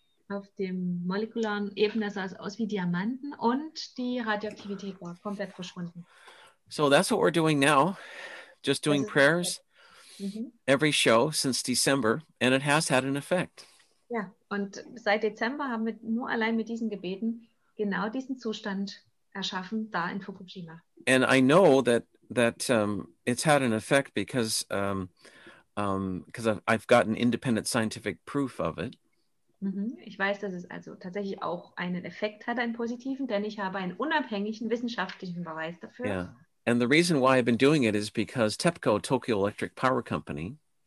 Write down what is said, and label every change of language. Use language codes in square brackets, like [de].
[de] auf dem molekularen Ebene sah es aus wie Diamanten und die Radioaktivität war komplett verschwunden. [en] So that's what we're doing now. Just doing prayers every show since December and it has had an effect. [de] Ja, und seit Dezember haben wir nur allein mit diesen Gebeten genau diesen Zustand erschaffen da in Fukushima. [en] And I know that it's had an effect because I've gotten independent scientific proof of it. Mm-hmm. [de] Ich weiß, dass es also tatsächlich auch einen Effekt hat, einen positiven, denn ich habe einen unabhängigen wissenschaftlichen Beweis dafür. [en] Yeah. And the reason why I've been doing it is because TEPCO, Tokyo Electric Power Company.